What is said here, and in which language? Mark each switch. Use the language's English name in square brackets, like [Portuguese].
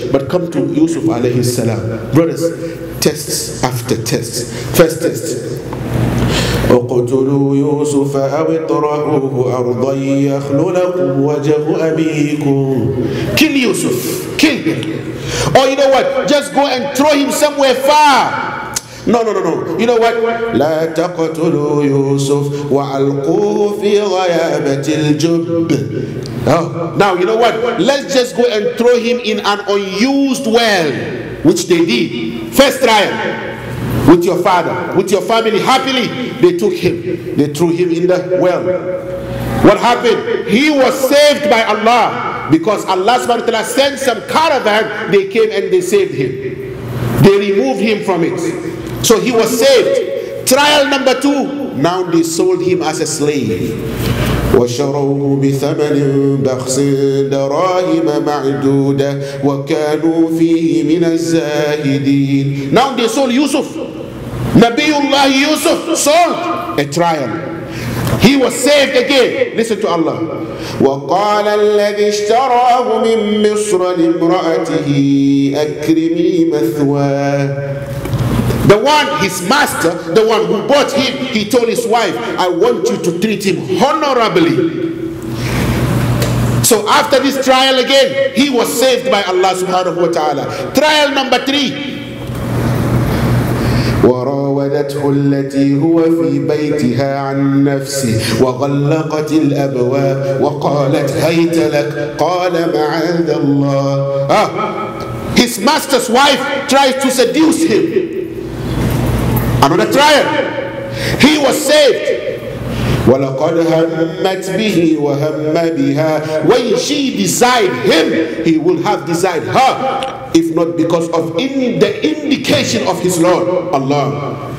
[English] But come to Yusuf alayhi salam. Brothers, tests after tests. First test. [Arabic] اقتلوا يوسف او اطرحوه ارضا يخلو لكم وجه ابيكم. [English] Kill Yusuf. Kill him. Or you know what? Just go and throw him somewhere far. No. You know what? [Arabic] لا تقتلوا يوسف وألقوه في غيابة الجب. [English] Oh, now you know what? Let's just go and throw him in an unused well, which they did. First trial, with your father, with your family, happily they took him, they threw him in the well. What happened? He was saved by Allah, because Allah subhanahu wa ta'ala sent some caravan. They came and they saved him. They removed him from it. So he was saved. Trial number two. Now they sold him as a slave. [Arabic] وَشَرَوْهُ بِثَمَنٍ بَخْسٍ دَرَاهِمَ مَعْدُودًا وَكَانُوا فِيهِ مِنَ الزَّاهِدِينَ. [English] Now they sold Yusuf. Nabiullah Yusuf sold. A trial. He was saved again. Listen to Allah. [Arabic] وقال الذي اشتراه من مصر لامرأته أكرمي مثواه. [English] The one, his master, the one who bought him, he told his wife, I want you to treat him honorably. So after this trial again, he was saved by Allah subhanahu wa ta'ala. Trial number three. [Arabic] وراودته التي هو في بيتها عن نفسه وغلقت الأبواب وقالت هيت لك قال معاذ الله. [English] His master's wife tries to seduce him. Another trial. He was saved. [Arabic] وَلَقَدْ هَمَّتْ بِهِ وَهَمَّ بِهَا. [English] When she desired him, he would have desired her, if not because of the indication of his Lord, Allah.